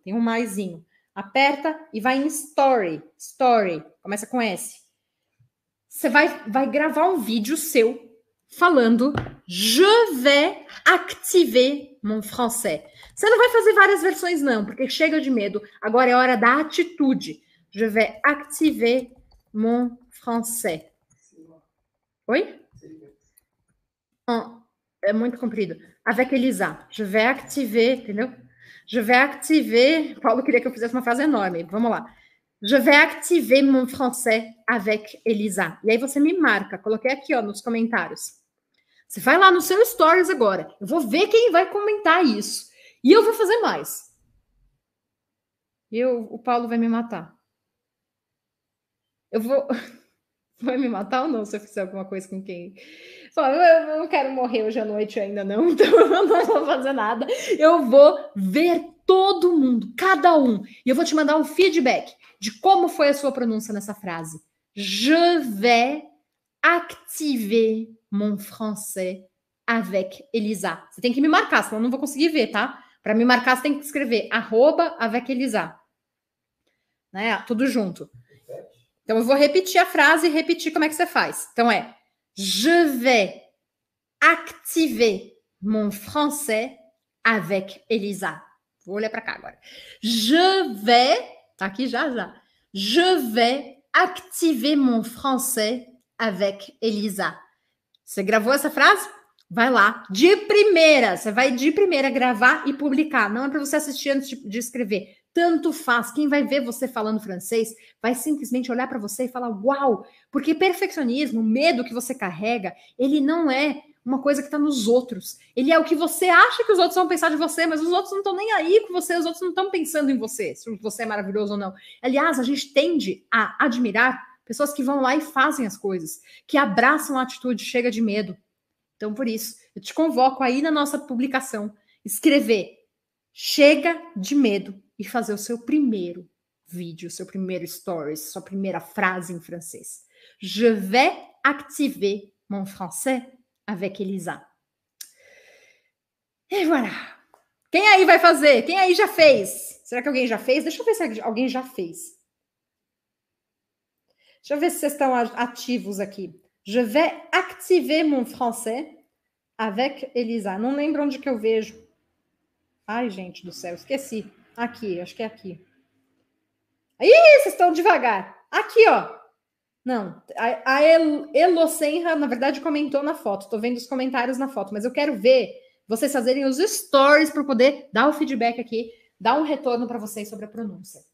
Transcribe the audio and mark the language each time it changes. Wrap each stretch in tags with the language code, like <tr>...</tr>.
<pt>Tem um maiszinho. Aperta e vai em story. Story. Começa com S. Você vai gravar um vídeo seu falando</pt> <fr>Je vais activer mon français.</fr> <pt>Você não vai fazer várias versões, não. Porque chega de medo. Agora é hora da atitude.</pt> <fr>Je vais activer mon français.</fr> <pt>Oi? É muito comprido. Avec Elisa.</pt> <fr>Je vais activer,</fr> <pt>entendeu?</pt> <fr>Je vais activer...</fr> <pt>Paulo queria que eu fizesse uma frase enorme. Vamos lá.</pt> <fr>Je vais activer mon français avec Elisa.</fr> <pt>E aí você me marca. Coloquei aqui, ó, nos comentários. Você vai lá no seu stories agora. Eu vou ver quem vai comentar isso. E eu vou fazer mais. O Paulo vai me matar. Eu vou... Vai me matar ou não se eu fizer alguma coisa com quem? Eu não quero morrer hoje à noite ainda, não. Então, eu não vou fazer nada. Eu vou ver todo mundo, cada um. E eu vou te mandar um feedback de como foi a sua pronúncia nessa frase.</pt> <fr>Je vais activer mon français avec Elisa.</fr> <pt>Você tem que me marcar, senão eu não vou conseguir ver, tá? Para me marcar, você tem que escrever arroba avec Elisa. Né? Tudo junto. Então, eu vou repetir a frase e repetir como é que você faz. Então, é...</pt> <fr>Je vais activer mon français avec Elisa.</fr> <pt>Vou olhar para cá agora.</pt> <fr>Je vais...</fr> <pt>Tá aqui já, já.</pt> <fr>Je vais activer mon français avec Elisa.</fr> <pt>Você gravou essa frase? Vai lá. De primeira. Você vai de primeira gravar e publicar. Não é para você assistir antes de escrever. Tanto faz. Quem vai ver você falando francês vai simplesmente olhar para você e falar uau. Porque perfeccionismo, o medo que você carrega, ele não é uma coisa que está nos outros. Ele é o que você acha que os outros vão pensar de você, mas os outros não estão nem aí com você, os outros não estão pensando em você, se você é maravilhoso ou não. Aliás, a gente tende a admirar pessoas que vão lá e fazem as coisas, que abraçam a atitude, chega de medo. Então, por isso, eu te convoco aí na nossa publicação, escrever chega de medo e fazer o seu primeiro vídeo, seu primeiro stories, sua primeira frase em francês.</pt> <fr>Je vais activer mon français avec Elisa.</fr> <pt>E voilà. Quem aí vai fazer? Quem aí já fez? Será que alguém já fez? Deixa eu ver se alguém já fez. Deixa eu ver se vocês estão ativos aqui.</pt> <fr>Je vais activer mon français avec Elisa.</fr> <pt>Não lembro onde que eu vejo. Ai, gente do céu, esqueci. Aqui, acho que é aqui. Aí, vocês estão devagar. Aqui, ó. Não, a Elo Senra, na verdade, comentou na foto. Estou vendo os comentários na foto. Mas eu quero ver vocês fazerem os stories para poder dar o feedback aqui, dar um retorno para vocês sobre a pronúncia.</pt>